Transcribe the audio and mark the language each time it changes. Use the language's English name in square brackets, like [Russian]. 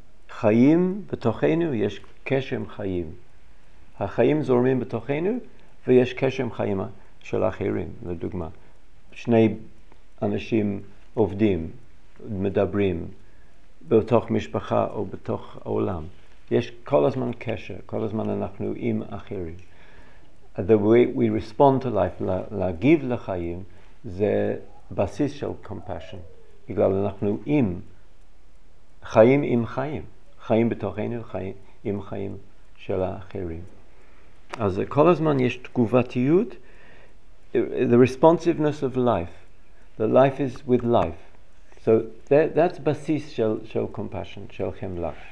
[Hebrew] חיים בתוכנו, יש קשר עם חיים. החיים זורמים בתוכנו ויש קשר עם חיים של אחרים. לדוגמה, שני אנשים עובדים, מדברים בתוך משפחה או בתוך העולם. יש כל הזמן קשר, כל הזמן אנחנו עם אחרים. [English] The way we respond to life, [Hebrew] להגיב לחיים, זה בסיס של [English] compassion. [Hebrew] בגלל אנחנו עם, חיים עם חיים. חיים בתוכנו, חיים עם חיים של האחרים. אז כל הזמן יש תגובתיות. [English] The responsiveness of life. The life is with life. So that's basis של compassion, [Hebrew] של חמלה.